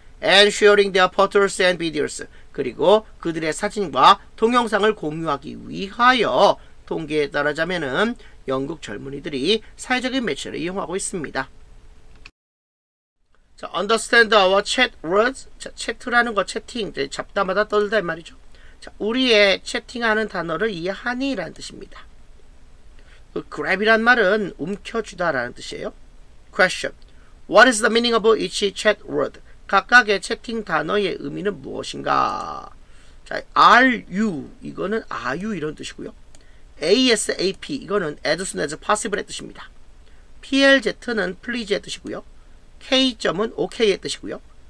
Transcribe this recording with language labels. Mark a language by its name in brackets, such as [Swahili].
[English] And sharing their photos and videos, [Korean] 그리고 그들의 사진과 동영상을 공유하기 위하여 통계에 따르자면은 영국 젊은이들이 사회적인 매체를 이용하고 있습니다. [English] 자, understand our chat words. [Korean] 자, 채트라는 거 채팅, 잡다마다 떨다 이 말이죠. 자, 우리의 채팅하는 단어를 이해하니 라는 뜻입니다. grab이란 말은 움켜쥐다라는 뜻이에요. Question. [English] What is the meaning of each chat word? [Korean] 각각의 채팅 단어의 의미는 무엇인가? 자, are you 이거는 are you 이런 뜻이고요. ASAP 이거는 [English] as soon as possible [Korean] 의 뜻입니다. PLZ는 please의 뜻이고요. K점은 OK의 뜻이고요.